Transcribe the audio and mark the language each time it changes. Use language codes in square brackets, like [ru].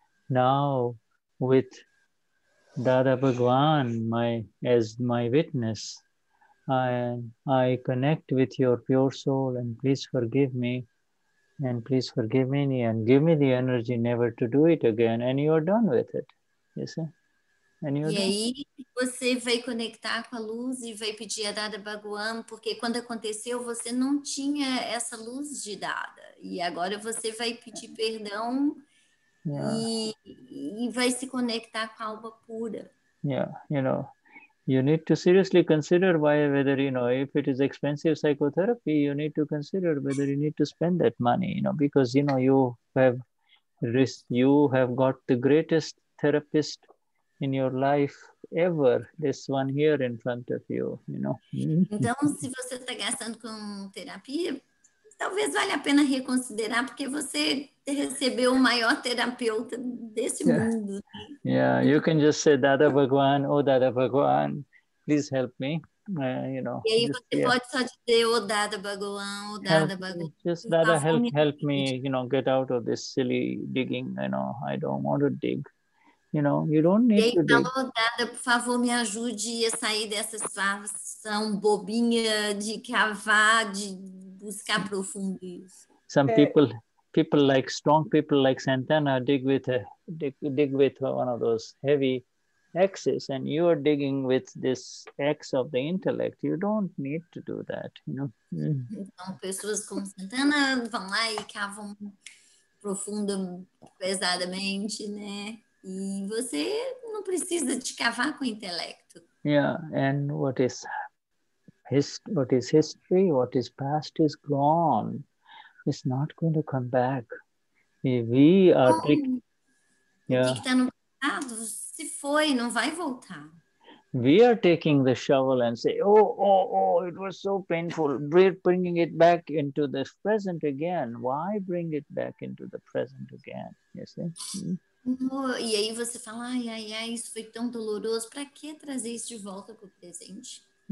[en] Now, with Dada Bhagwan, as my witness, I connect with your pure soul, and please forgive me, and please forgive me, and give me the energy never to do it again, and you're done with it, you see? And you're done. [pt] E aí, você vai conectar com a luz e vai pedir a Dada Bhagwan, porque quando aconteceu, você não tinha essa luz de Dada, e agora você vai pedir perdão e vai se conectar com a alma pura. [en] Yeah, you know. You need to seriously consider whether, you know, if it is expensive psychotherapy, you need to consider whether you need to spend that money, you know, because, you know, you have got the greatest therapist in your life ever, this one here in front of you, you know. [pt] Então, se você está gastando com terapia, talvez valha a pena reconsiderar, porque você recebeu o maior terapeuta desse mundo. [en] Yeah, you can just say, Dada Bhagwan, oh Dada Bhagwan, please help me, you know. [pt] E aí você pode só dizer, oh Dada Bhagwan, oh Dada Bhagwan. [en] Just Dada, help me, you know, get out of this silly digging, you know, I don't want to dig. You know, you don't need to dig. [pt] E aí, Dada, por favor, me ajude a sair dessa situação bobinha de cavar, de buscar profundo isso. [en] Some people like strong people like Santana dig with one of those heavy axes, and you are digging with this axe of the intellect. You don't need to do that, you know. [pt] Então, pessoas como Santana vão lá e cavam profundo, pesadamente, né? E você não precisa de cavar com o intelecto. [en] Yeah, and what is history, what is past is gone. It's not going to come back. We are We are taking the shovel and say, oh, it was so painful. We're bringing it back into the present again. Why bring it back into the present again? You see? [pt] E aí você fala, ai, isso foi tão doloroso. Para que trazer isso de volta para o presente?